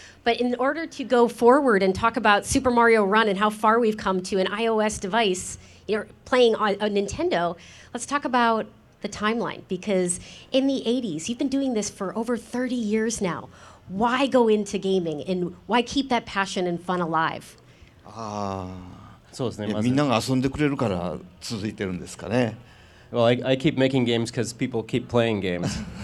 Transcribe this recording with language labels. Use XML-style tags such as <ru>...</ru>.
<en>But in order to go forward and talk about Super Mario Run and how far we've come to an iOS device, you know, playing on a Nintendo, let's talk about the timeline, because in the 80s, you've been doing this for over 30 years now. Why go into gaming, and why keep that passion and fun alive?</en> <ja>みんなが遊んでくれるから続いてるんですかね。</ja> <en>Well, I keep making games because people keep playing games.</en>